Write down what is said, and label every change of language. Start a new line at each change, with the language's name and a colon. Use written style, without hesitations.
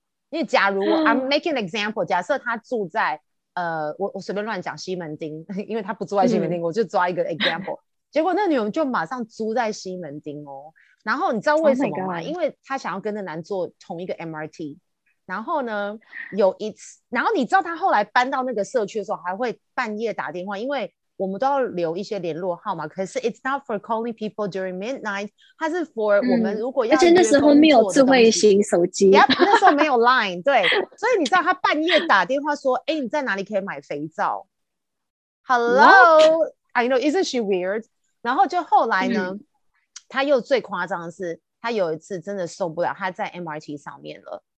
Chinese: 因为假如、
English: I'm making an example，
Chinese: 假设他住在我随便乱讲西门町，因为他不住在西门町，我就抓一个 example。结果那女人就马上租在西门町哦。然后你知道为什么吗？ Oh、因为他想要跟那男坐同一个 MRT。然后呢，有一次，然后你知道他后来搬到那个社区的时候，还会半夜打电话，因为我们都要留一些联络号码。可是
English: it's not for calling people during midnight，
Chinese: 它是
English: for、
Chinese: 我们如果要而且那时候没有智慧型手机， yep, 那时候没有 line， 对，所以你知道他半夜打电话说，哎，你在哪里可以买肥皂 ？Hello，、
English: What? I know， isn't she weird？
Chinese: 然后就后来呢，他又最夸张的是，他有一次真的受不了，他在 MRT 上面了。